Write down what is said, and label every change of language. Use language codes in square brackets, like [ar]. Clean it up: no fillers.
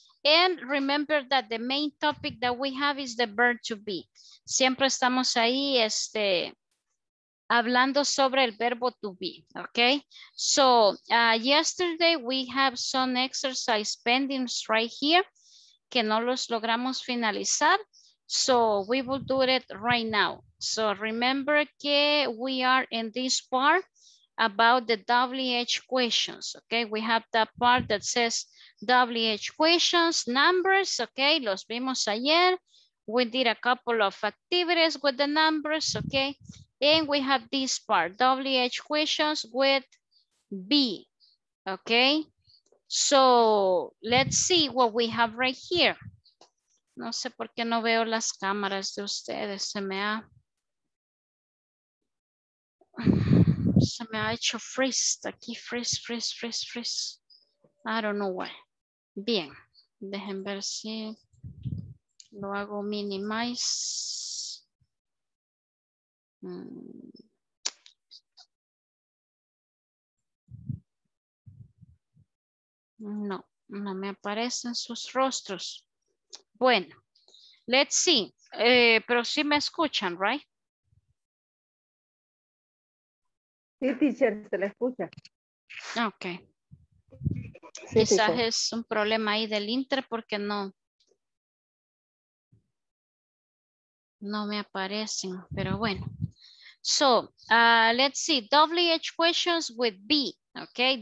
[en] And remember that the main topic that we have is the verb to be. [es] Siempre estamos ahí hablando sobre el verbo to be, okay? [en] So yesterday we have some exercise pendings right here que no los logramos finalizar. So we will do it right now. So remember que we are in this part about the WH questions, okay? We have that part that says WH questions, numbers, okay? Los vimos ayer. We did a couple of activities with the numbers, okay? And we have this part, WH questions with B, okay? So let's see what we have right here. [es] No sé por qué no veo las cámaras de ustedes. Se me ha hecho freeze. [en] Aquí freeze. I don't know why. [es] Bien, dejen ver si lo hago minimize. No me aparecen sus rostros. Bueno, let's see. Pero sí me escuchan, right? Sí, teacher, se la escucha. Okay. Sí, quizás teacher. Es un problema ahí del inter porque no me aparecen, pero bueno. [en] So, let's see, WH questions with B, okay?